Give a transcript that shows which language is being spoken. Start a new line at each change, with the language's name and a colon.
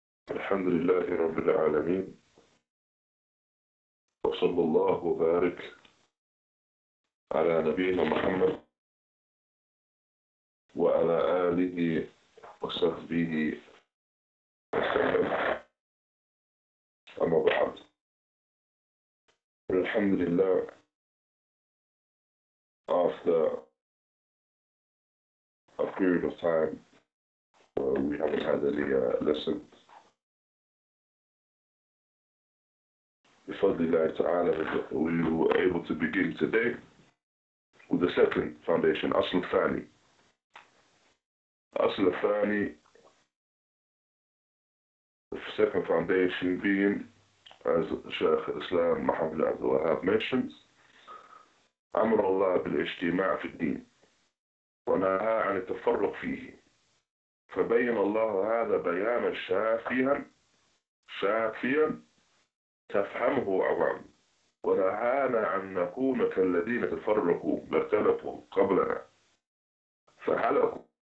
Arabic: الحمد لله رب العالمين، وصلى الله وبارك على نبينا محمد وعلى آله وصحبه وسلم، أما بعد، الحمد لله
English: after a period of time we haven't had any lesson.
Arabic: بفضل الله تعالى
English: we were able to begin today with the second foundation,
Arabic: أصل الثاني. أصل الثاني,
English: the second foundation being, as Shaykh Islam Muhammad Abdul Wahab mentions,
Arabic: أمر الله بالاجتماع في الدين ونهى عن التفرق فيه. فبين الله هذا بيانا شافيا تفهمه عوام، ونهانا عن نكون كالذين تفرقوا واختلفوا قبلنا فهلكوا،